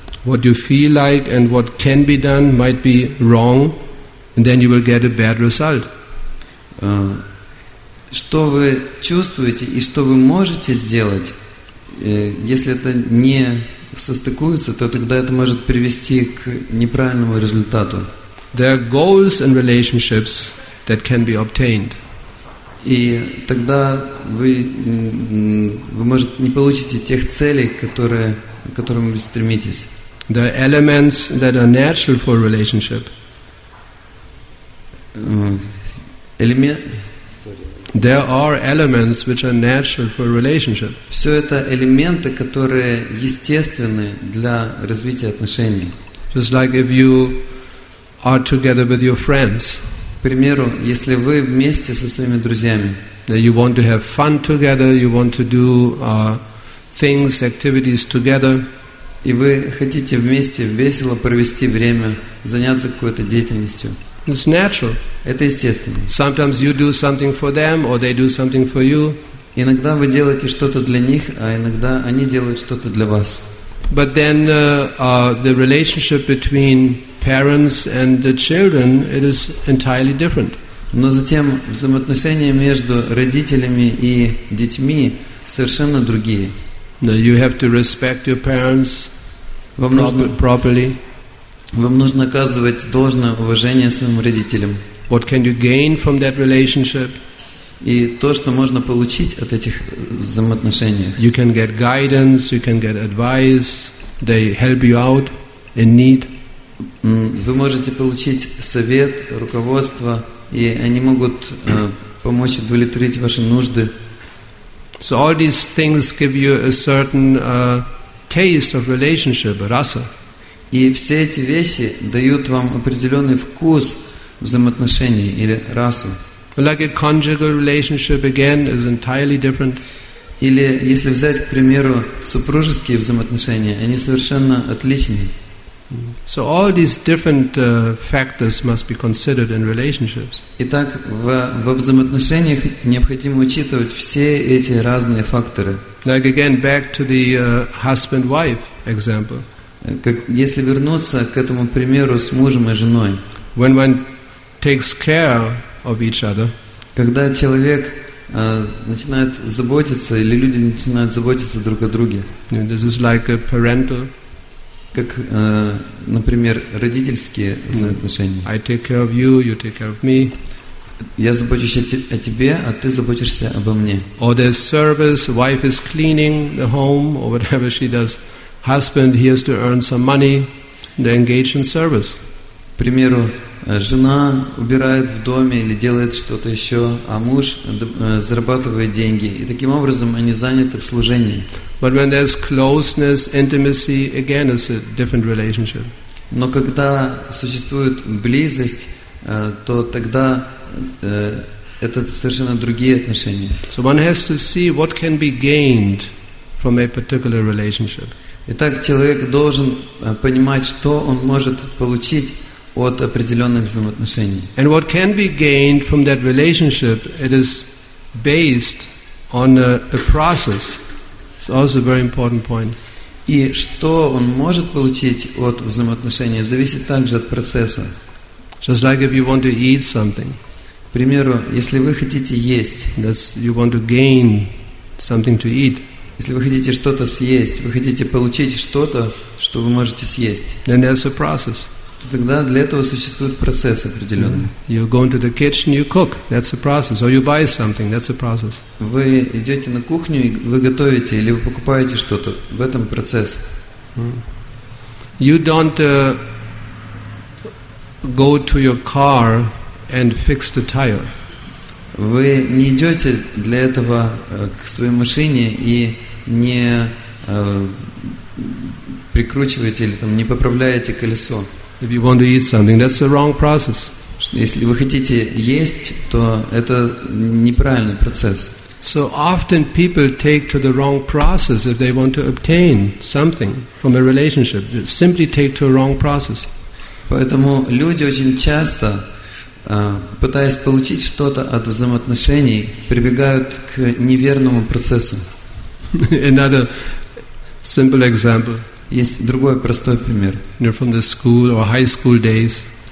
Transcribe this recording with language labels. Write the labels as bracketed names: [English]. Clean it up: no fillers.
[English] What you feel like and what can be done might be wrong, and then you will get a bad result. [Russian] Что вы чувствуете и что вы можете сделать, если это не состыкуется, то тогда это может привести к неправильному результату. [English] There are goals and relationships that can be obtained. [Russian] И тогда вы может не получите тех целей, к которым вы стремитесь. [English] There are elements that are natural for a relationship. There are elements which are natural for a relationship. [Russian] Все это элементы, которые естественны для развития отношений. [English] Just like if you are together with your friends. [Russian] К примеру, если вы вместе со своими друзьями. [English] You want to have fun together, you want to do things, activities together. [Russian] И вы хотите вместе весело провести время, заняться какой-то деятельностью. [English] It's natural. [Russian] Это естественно. [English] Sometimes you do something for them, or they do something for you. [Russian] Иногда вы делаете что-то для них, а иногда они делают что-то для вас. [English] But then the relationship between parents and the children, it is entirely different. [Russian] Но затем взаимоотношения между родителями и детьми совершенно другие. [English] Now you have to respect your parents properly. [Russian] Вам нужно оказывать должное уважение своим родителям. [English] What can you gain from that relationship? [Russian] И то, что можно получить от этих взаимоотношений. [English] You can get guidance, you can get advice, they help you out in need. [Russian] Вы можете получить совет, руководство, и они могут помочь удовлетворить ваши нужды. [English] So all these things give you a certain taste of relationship, rasa. [Russian] И все эти вещи дают вам определенный вкус взаимоотношений или расу. [English] Like a conjugal relationship again is entirely different. [Russian] Или если взять, к примеру, супружеские взаимоотношения, они совершенно отличные. [English] So all these different factors must be considered in relationships. [Russian] Итак, во взаимоотношениях необходимо учитывать все эти разные факторы. [English] Like again, back to the husband-wife example. [Russian] Как если вернуться к этому примеру с мужем и женой. [English] When one takes care of each other. [Russian] Когда человек начинает заботиться или люди начинают заботиться друг о друге. [English] This is like a parental. [Russian] Как, например, родительские взаимоотношения. [English] I take care of you, you take care of me. [Russian] Я забочусь о тебе, а ты заботишься обо мне. [English] Or there's service, wife is cleaning the home or whatever she does. Husband, he has to earn some money, they engage in service. [Russian] К примеру, жена убирает в доме или делает что-то еще, а муж зарабатывает деньги. И таким образом они заняты в служении. [English] But when there's closeness, intimacy, again, it's a different relationship. [Russian] Но когда существует близость, то тогда это совершенно другие отношения. [English] So one has to see what can be gained from a particular relationship. [Russian] Итак, человек должен понимать, что он может получить от определенных взаимоотношений. [English] And what can be gained from that relationship, it is based on a process. It's also a very important point. [Russian] И что он может получить от взаимоотношений, зависит также от процесса. [English] Just like if you want to eat something. [Russian] К примеру, если вы хотите есть. [English] That's you want to gain something to eat. [Russian] Если вы хотите что-то съесть, вы хотите получить что-то, что вы можете съесть. [English] Then there's a process. [Russian] Тогда для этого существует процесс определенный. [English] You go into the kitchen, you cook. That's a process. Or you buy something. That's a process. [Russian] Вы идете на кухню и вы готовите или вы покупаете что-то. В этом процесс. [English] You don't go to your car and fix the tire. [Russian] Вы не идете для этого к своей машине и не прикручиваете или там не поправляете колесо. [English] If you want to eat something, that's the wrong process. [Russian] Если вы хотите есть, то это неправильный процесс. [English] So often people take to the wrong process if they want to obtain something from a relationship. They simply take to a wrong process. [Russian] Поэтому люди очень часто пытаясь получить что-то от взаимоотношений, прибегают к неверному процессу. [English] Another simple example. [Russian] Есть другой простой пример. [English] You're from the school or high school days.